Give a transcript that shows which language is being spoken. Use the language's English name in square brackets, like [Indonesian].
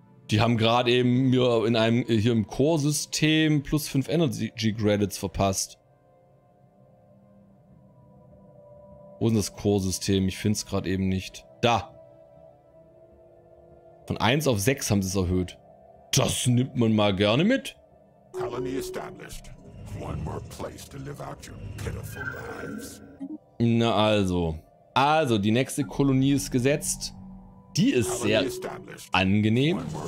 [German] Die haben gerade eben mir in einem hier im Core-System +5 Energy Credits verpasst. Wo ist das Core-System? Ich finde es gerade eben nicht. Da! Von 1 auf 6 haben sie es erhöht. Das nimmt man mal gerne mit. [English] Colony established. One more place to live out your pitiful lives. [German] Na also. Also, die nächste Kolonie ist gesetzt. Die ist sehr angenehm.